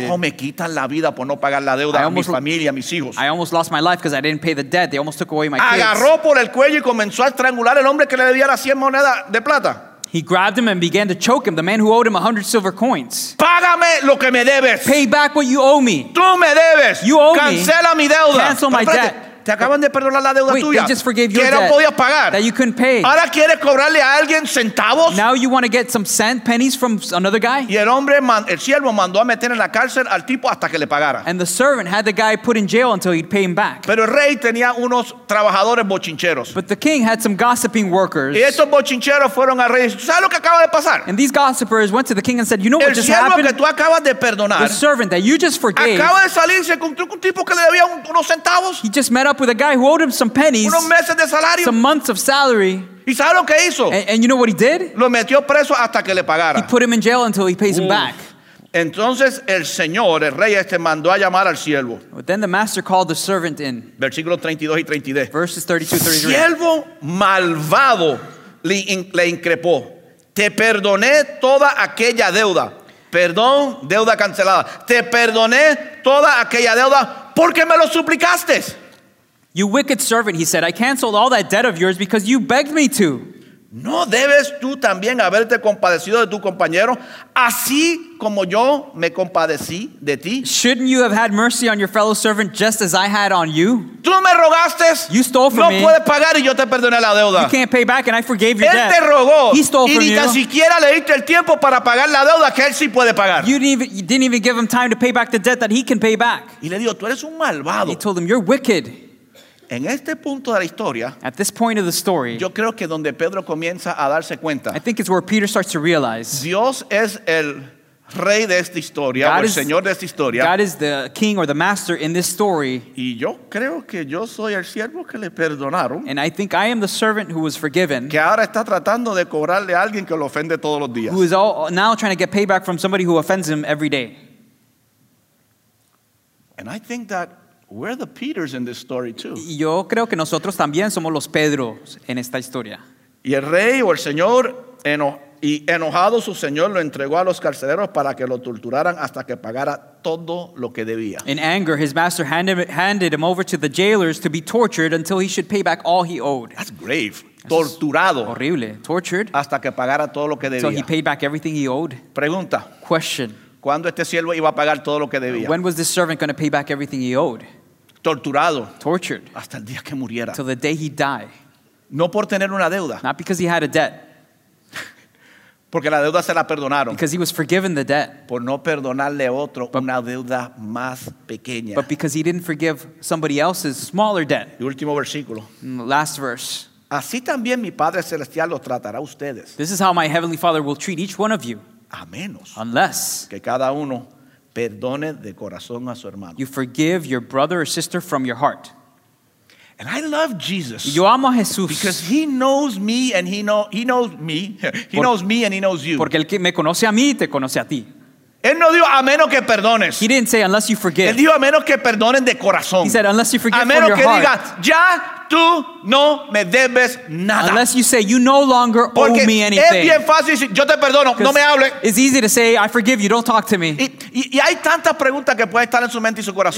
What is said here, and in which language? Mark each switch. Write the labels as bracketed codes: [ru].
[es] Por poco me quitan la vida por no pagar la deuda a mi familia, a mis hijos. [en] I almost lost my life because I didn't pay the debt. They almost took away my [es] agarró [en] kids. [es] Agarró por el cuello y comenzó a estrangular el hombre que le debía las 100 monedas de plata. [en] He grabbed him and began to choke him, the man who owed him 100 silver coins. [es] Págame lo que me debes. [en] Pay back what you owe me. [es] Tú me debes. [en] You owe [es] cancela [en] me. [es] Mi deuda. [en] Cancel my debt. [es] Te acaban de perdonar la deuda. [en] Wait, [es] tuya. [en] They just forgave your debt. [es] Que no podía pagar. [en] That you couldn't pay. [es] Ahora quieres cobrarle a alguien centavos. [en] Now you want to get some cent pennies from another guy? [es] Y el hombre, el siervo mandó a meter en la cárcel al tipo hasta que le pagara. [en] And the servant had the guy put in jail until he'd pay him back. [es] Pero el rey tenía unos trabajadores bochincheros. [en] But the king had some gossiping workers. [es] Y esos bochincheros fueron al rey. ¿Sabes lo que acaba de pasar? [en] And these gossipers went to the king and said, you know [es] el [en] what just happened? [es] El siervo que tú acabas de perdonar. [en] The servant that you just forgave. [es] Acaba de salir, se encontró con un tipo que le debía unos centavos. [en] He just met up with a guy who owed him some pennies, [es] unos meses de salario, [en] some months of salary. [es] ¿Y sabe lo que hizo? [en] And you know what he did? [es] Lo metió preso hasta que le pagara. [en] He put him in jail until he pays him back. [es] Entonces el Señor, el rey este, mandó a llamar al siervo. [en] Then the master called the servant in. [es] Versículo 32 y 33. [en] Verses 32 and 33. [es] Siervo malvado, le increpó. Te perdoné toda aquella deuda. Perdón, deuda cancelada. Te perdoné toda aquella deuda porque me lo suplicaste. [en] You wicked servant, he said, I canceled all that debt of yours because you begged me to. [es] ¿No debes tú también haberte compadecido de tu compañero así como yo me compadecí de ti? [en] Shouldn't you have had mercy on your fellow servant just as I had on you? [es] Tú me rogaste. [en] You stole from [es] no [en] me. [es] No puedes pagar y yo te perdoné la deuda. [en] You can't pay back and I forgave your [es] él [en] debt. [es] Él te rogó. [en] He stole from [es] y ni [en] you. [es] Tan siquiera le diste el tiempo para pagar la deuda que él sí puede pagar. [en] You didn't even give him time to pay back the debt that he can pay back. [es] Y le dijo, tú eres un malvado. [en] He told him, you're wicked. [es] En este punto de la historia, [en] at this point of the story, [es] yo creo que donde Pedro comienza a darse cuenta, [en] I think it's where Peter starts to realize, [es] Dios es el rey de esta historia, God o el is, señor de esta historia. [en] God is the king or the master in this story. [es] Y yo creo que yo soy el siervo que le perdonaron. [en] And I think I am the servant who was forgiven. [es] Que ahora está tratando de cobrarle a alguien que lo ofende todos los días. [en] Who is now trying to get payback from somebody who offends him every day. And I think that we're the Peters in this story too. [es] Yo creo que nosotros también somos los Pedros en esta historia. Y el rey o el señor enojado su señor lo entregó a los carceleros para que lo torturaran hasta que pagara todo lo que debía. [en] In anger, his master handed him over to the jailers to be tortured until he should pay back all he owed. That's grave. [es] Torturado. [en] Horrible. Tortured. [es] Hasta que pagara todo lo que debía. [en] So he paid back everything he owed. [es] Pregunta. [en] Question. [es] ¿Cuándo este siervo iba a pagar todo lo que debía? [en] When was this servant going to pay back everything he owed? [es] Torturado. [en] Tortured. [es] Hasta el día que muriera. [en] Till the day he died. [es] No por tener una deuda. [en] Not because he had a debt. [es] Porque la deuda se la perdonaron. [en] Because he was forgiven the debt. [es] Por no perdonarle otro but, una deuda más pequeña. [en] But because he didn't forgive somebody else's smaller debt. [es] El último versículo. [en] Last verse. [es] Así también mi Padre Celestial lo tratará a ustedes. [en] This is how my Heavenly Father will treat each one of you. [es] A menos [en] unless [es] que cada uno perdone de corazón a su hermano. [en] You forgive your brother or sister from your heart. And I love Jesus. [es] Yo amo a Jesús. [en] Because he knows me and he knows me. He knows me and he knows you. [es] Porque el que me conoce a mí te conoce a ti. Él no dijo a menos que perdones. [en] He didn't say unless you forgive. [es] Él dijo a menos que perdonen de corazón. [en] He said unless you forgive [es] a menos [en] from your [es] que [en] heart. [es] Diga, ya tú no me debes nada. [en] Unless you say you no longer owe [es] porque [en] me anything. [es] Es bien fácil decir, yo te perdono, no me hable. [en] It's easy to say I forgive you, don't talk to me. [es] Y hay tantas preguntas que pueden estar en su mente y su corazón.